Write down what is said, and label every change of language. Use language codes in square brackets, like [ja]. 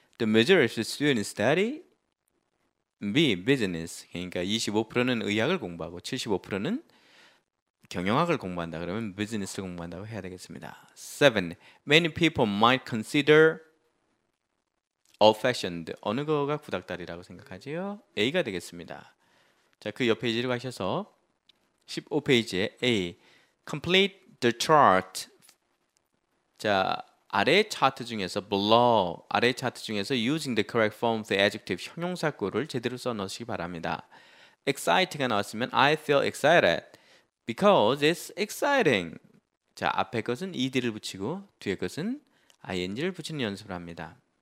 [en] The majority of the students study B, business. [ko] 그러니까 25%는 의학을 공부하고 75%는 경영학을 공부한다. 그러면 business를 공부한다고 해야 되겠습니다. [en] 7. Many people might consider old-fashioned. [ko] 어느 거가 구닥다리라고 생각하지요? A가 되겠습니다. 자, 그 옆 페이지로 가셔서 15페이지에 A. [en] Complete the chart. [ko] 자, 아래 차트 중에서 below, 아래 차트 중에서 [en] using the correct form of the adjective, [ko] 형용사구를 제대로 써놓으시기 바랍니다. [en] Excited가 나왔으면 I feel excited because it's exciting. [ko] 자, 앞에 것은 ed를 붙이고 뒤에 것은 ing를 붙이는 연습을 합니다.